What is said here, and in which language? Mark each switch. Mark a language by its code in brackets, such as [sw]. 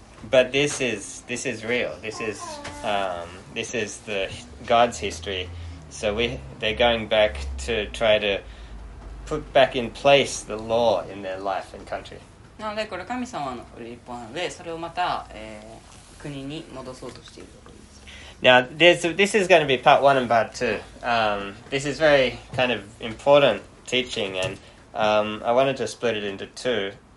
[en] But this is real. This is the God's history. So they're going back to try to put back in place the law in their life and country. [ja] なのでこれ神様の立法なので、それをまた国に戻そうとしているところです。 [en] Now, this is going to be part one and part two. This is very kind of important teaching, and I wanted to split it into two.